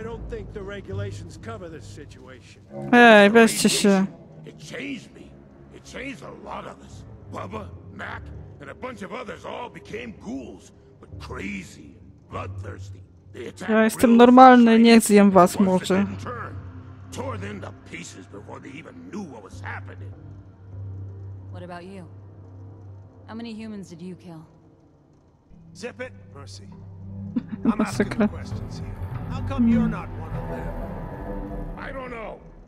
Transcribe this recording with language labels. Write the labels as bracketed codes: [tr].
[en] I don't think the regulations cover this situation. Hey, best to share. It changed me. It changed a lot of us. Bubba, Mac, and a bunch of others all became ghouls, but crazy and bloodthirsty. They attacked. [pl] Ja jestem normalny, nie zjem was, może. [en] Tore them to pieces before they even knew what was happening. What about you? How many humans did you kill? Zip it, Mercy. I'm asking the questions here. How come you're not one of them? I don't know.